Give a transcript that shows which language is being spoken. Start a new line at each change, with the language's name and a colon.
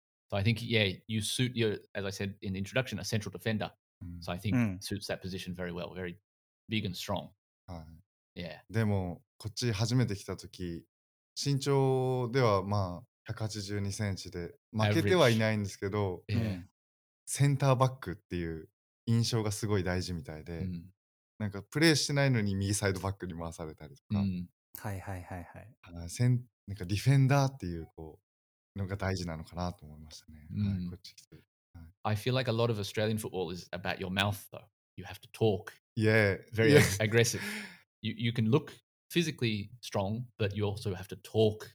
English: So I think, yeah, you suit your, as I said in the introduction, a central defender. So I think suits that position very well. Very big and strong. Yeah.
Japanese: でもこっち初めて来た時、身長ではまあ182センチで負けてはいないんですけど、センターバックっていう印象がすごい大事みたいで。なんかプレーしてないのに右サイドバックに回されたりとか、なんかディフェンダーっていうこうのが大事なのかなと思いましたね。こっち来て、
English: I feel like a lot of Australian football is about your mouth though. You have to talk. Yeah. Very aggressive. You can look physically strong, but you also have to talk.